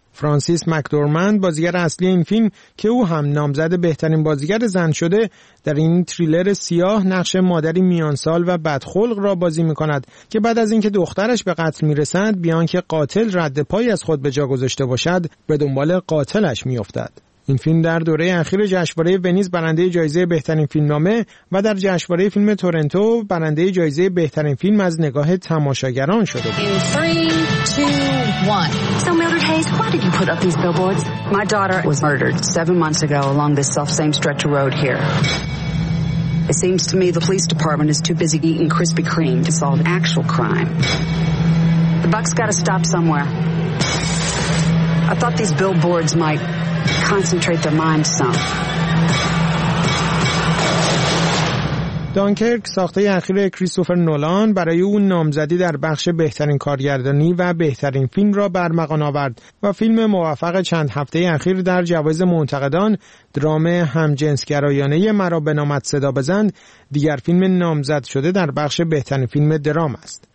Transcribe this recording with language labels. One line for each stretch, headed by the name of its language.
Persian: فرانسیس مکدورمند بازیگر اصلی این فیلم که او هم نامزد بهترین بازیگر زن شده در این تریلر سیاه نقش مادری میانسال و بدخلق را بازی می‌کند که بعد از اینکه دخترش به قتل می‌رسد بیان که قاتل رد پای از خود به جا گذاشته باشد به دنبال قاتلش می‌افتد. این فیلم در دوره اخیر جشنواره ونیز برنده جایزه بهترین فیلمنامه و در جشنواره فیلم تورنتو برنده جایزه بهترین فیلم از نگاه تماشاگران شده بود.
English: 3, 2, 1. So Mildred Hayes, why did you put up these billboards? My daughter was murdered 7 months ago along this self-same stretch of road here. It seems to me the police department is too busy eating Krispy Kreme to solve actual crime. The buck's got to stop somewhere. I thought these billboards might concentrate their minds some.
Persian: دانکرک ساخته اخیر کریستوفر نولان برای اون نامزدی در بخش بهترین کارگردانی و بهترین فیلم را برمغان آورد و فیلم موفق چند هفته اخیر در جوایز منتقدان درام همجنسگرایانه مرا به نامت صدا بزن دیگر فیلم نامزد شده در بخش بهترین فیلم درام است.